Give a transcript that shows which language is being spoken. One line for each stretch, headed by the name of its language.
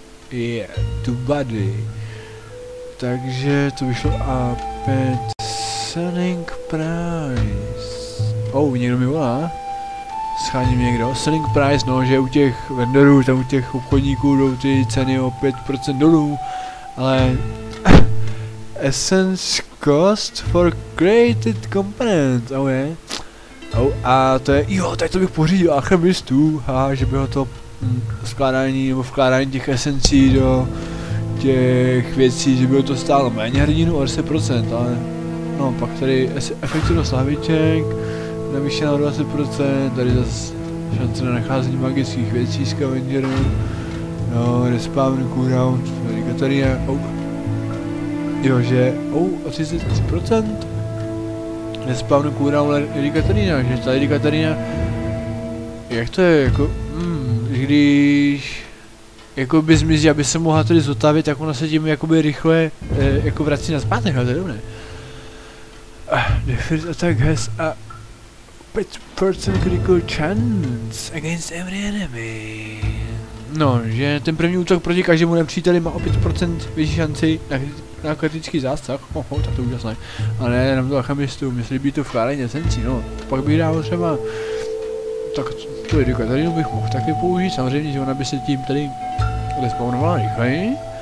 Czech: Je, yeah, to body. Takže to vyšlo a 5 selling price. Oh, někdo mi volá. Scháním někdo. Selling price, no, že u těch vendorů, tam u těch obchodníků jdou ty ceny o 5% dolů. Ale...
English: Essence cost for created components, oh yeah.
Czech: Oh, a to je, jo, tak to bych pořídil alchemistů, že by ho to... skládání nebo vkládání těch esencí do těch věcí, že by to stálo méně hrdinu o 10%, ale no, pak tady efektivnost hlaviček navýšená o 20%, tady zase šance na nacházení magických věcí z Kavenděru, no, respawn, cooldown, tady Katarina, jo, že, o 30%, respawn, cooldown, tady Katarina, že tady Katarina, jak to je, jako, když jakoby zmizí, aby se mohla tady zotavit, tak ona se tím jakoby rychle jako vrací na zpátek, ale to je dobré.
English: The first attack has a 5% critical chance against every enemy.
Czech: No, že ten první útok proti každému nepříteli má o 5% větší šanci na kritický zásah. Oho, tak to je úžasné. Ale ne, jenom to alchemistu, myslí by to vkládání esencí, no. Pak bych dával třeba... Tak to je Katarinu bych mohl taky použít, samozřejmě, že ona by se tím tady respawnovala rychleji.